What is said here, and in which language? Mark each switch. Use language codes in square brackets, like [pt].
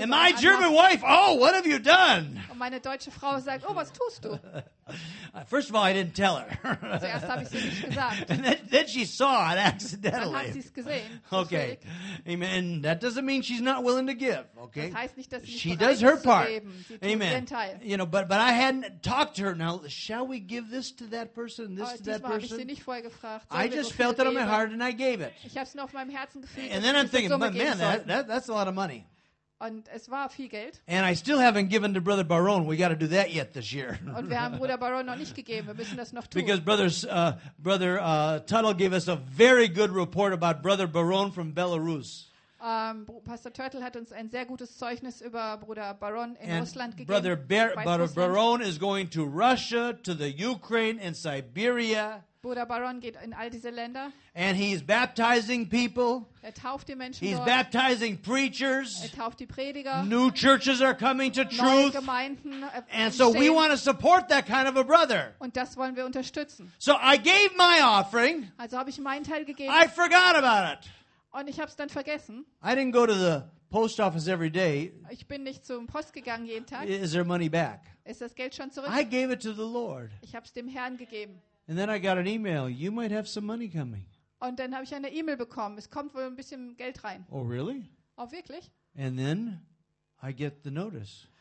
[en] And my German wife, oh, what have you done? [de] Und meine deutsche Frau sagt, oh, was tust du? [en] First of all, I didn't tell her. [de] Zuerst habe ich sie nicht gesagt. [en] And then she saw it accidentally. [de] Dann hat sie es gesehen. [en] Okay. Amen. That doesn't mean she's not willing to give. Okay. [de] Das heißt nicht, dass sie nicht [en] she does her part. Amen. You know, but I hadn't talked to her. Now, shall we give this to that person? This to that person? [de] Ich sie nicht vorher gefragt. [en] I just felt it on my heart and I gave it. [de] Ich habe es nur auf meinem Herzen gefühlt. [en] And then I'm thinking, man, that's a lot of money. [de] Und es war viel Geld. [en] And I still haven't given to Brother Barone. We got to do that yet this year. [de] Und wir haben Bruder Barone noch nicht gegeben. Wir müssen das noch tun. [en] Because Brother Tuttle gave us a very good report about Brother Barone from Belarus. [de] Pastor Turtle hat uns ein sehr gutes Zeugnis über Bruder Barone in [en] and [de] Russland gegeben. [en] Brother Barone is going to Russia, to the Ukraine and Siberia. [de] Bruder Baron geht in all diese Länder. [en] And he's baptizing people. [de] Er tauft die Menschen [en] he's [de] dort. [en] Baptizing preachers. [de] Er tauft die Prediger. [en] New churches are coming to truth. [de] Neue Gemeinden [en] and so [de] stehen. [en] We want to support that kind of a brother. [de] Und das wollen wir unterstützen. [en] So I gave my offering. [de] Also habe ich meinen Teil gegeben. [en] I forgot about it. [de] Und ich habe es dann vergessen. [en] I didn't go to the post office every day. [de] Ich bin nicht zum Post gegangen jeden Tag. [en] Is there money back? [de] Ist das Geld schon zurück? [en] I gave it to the Lord. [de] Ich habe es dem Herrn gegeben. [en] And then I got an email. You might have some money coming. [de] Und dann habe ich eine E-Mail bekommen. Es kommt wohl ein bisschen Geld rein. [en] Oh, really? [de] Oh, wirklich? [en] And then I get the notice.